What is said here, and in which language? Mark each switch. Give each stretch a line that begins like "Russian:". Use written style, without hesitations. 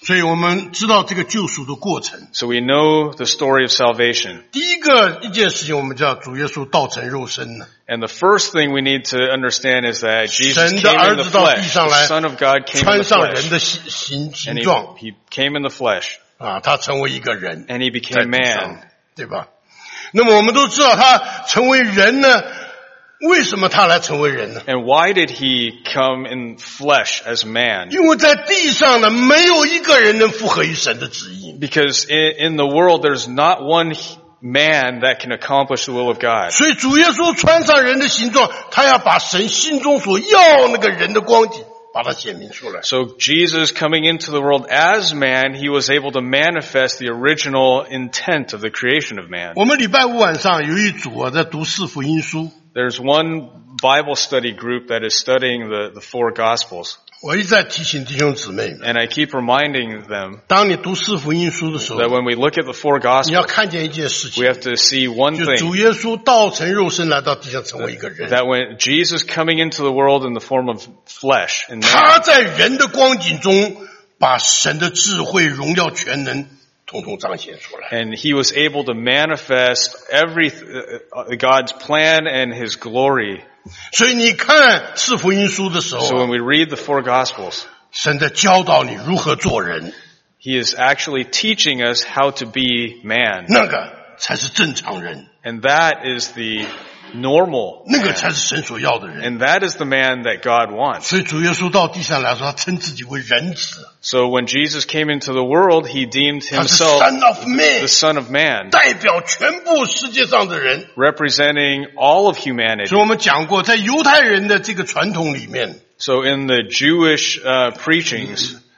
Chinese: 所以我们知道这个救赎的过程。
English: So we know the story of salvation.
Chinese: 第一个一件事情，我们叫主耶稣道成肉身呢。
English: And the first thing we need to understand is that Jesus came in the flesh. The Son of God came in the flesh. And he came in the flesh.
Chinese: 啊，他成为一个人。
English: And he became man.
Chinese: 对吧？那么我们都知道他成为人呢，为什么他来成为人呢？
English: And why did he come in flesh as man?
Chinese: 因为在地上呢，没有一个人能符合于神的旨意。
English: Because in the world, there's not one man that can accomplish the will of God.
Chinese: 所以主耶稣穿上人的形状，他要把神心中所要那个人的光景把它显明出来。
English: So Jesus coming into the world as man, he was able to manifest the original intent of the creation of man.
Chinese: 我们礼拜五晚上有一组啊在读四福音书。
English: There's one Bible study group that is studying the four gospels.
Chinese: 我一再提醒弟兄姊妹。
English: And I keep reminding them.
Chinese: 当你读四福音书的时候。
English: That when we look at the four gospels.
Chinese: 你要看见一件事情。
English: We have to see one thing.
Chinese: 就主耶稣道成肉身来到地上成为一个人。
English: That when Jesus coming into the world in the form of flesh.
Chinese: 他在人的光景中把神的智慧荣耀全能。
English: And he was able to manifest every God's plan and his glory.
Chinese: 所以你看四福音书的时候。
English: So when we read the four gospels,
Chinese: 神在教导你如何做人。
English: He is actually teaching us how to be man.
Chinese: 那个才是正常人。
English: And that is the normal.
Chinese: 那个才是神所要的人。
English: And that is the man that God wants.
Chinese: 所以主耶稣到地上来说，他称自己为人子。
English: So when Jesus came into the world, he deemed himself the Son of Man,
Chinese: 代表全部世界上的人，
English: representing all of humanity.
Chinese: 所以我们讲过，在犹太人的这个传统里面，
English: So in the Jewish preachings,